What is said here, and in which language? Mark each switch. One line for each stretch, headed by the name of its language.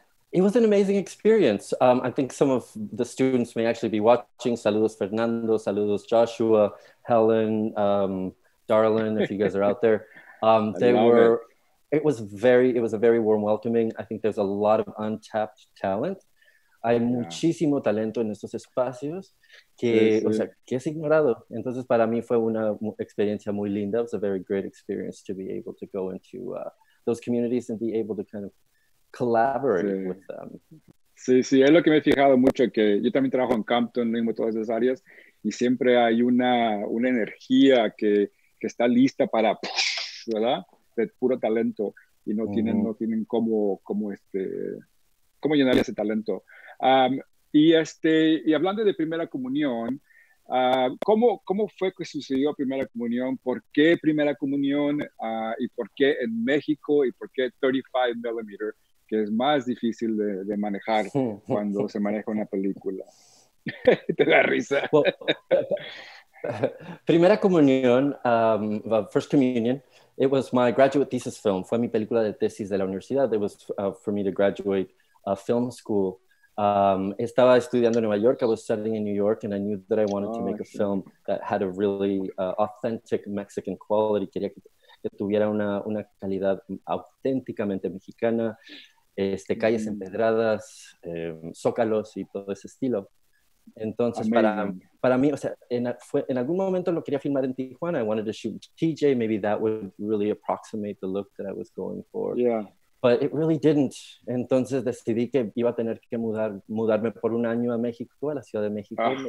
English: It was an amazing experience. I think some of the students may actually be watching.
Spanish: Saludos, Fernando. Saludos,
English: Joshua, Helen, Darlin, if you guys are out there. They were it. It was a very warm welcoming. I think there's a lot of untapped talent.
Spanish: Hay muchísimo talento en estos espacios que, o sea, que es ignorado. Entonces, para mí fue una experiencia muy linda.
English: It was a very great experience to be able to go into those communities and be able to kind of collaborate with them.
Spanish: Sí, es lo que me he fijado mucho, que yo también trabajo en Campton, mismo todas esas áreas, y siempre hay una energía que está lista para, ¿verdad? De puro talento, y no tienen cómo llenar ese talento. Y hablando de primera comunión, ¿cómo fue que sucedió primera comunión? ¿Por qué primera comunión? ¿Y por qué en México? ¿Y por qué 35 millimeter? Que es más difícil de manejar cuando se maneja una película. Te da risa.
English: Well, Primera Comunión, First Communion, it was my graduate thesis film.
Spanish: Fue mi película de tesis de la universidad.
English: It was for me to graduate film school.
Spanish: Estaba estudiando en Nueva York.
English: I was studying in New York, and I knew that I wanted to Oh, make a
Spanish: sí.
English: film that had a really authentic Mexican quality.
Spanish: Quería que tuviera una calidad auténticamente mexicana. Calles empedradas, zócalos y todo ese estilo. Entonces,
English: Amazing.
Spanish: para mí, o sea, en algún momento lo quería filmar en Tijuana.
English: I wanted to shoot TJ. Maybe that would really approximate the look that I was going for. But it really didn't.
Spanish: Entonces, decidí que iba a tener que mudarme por un año a México, a la Ciudad de México.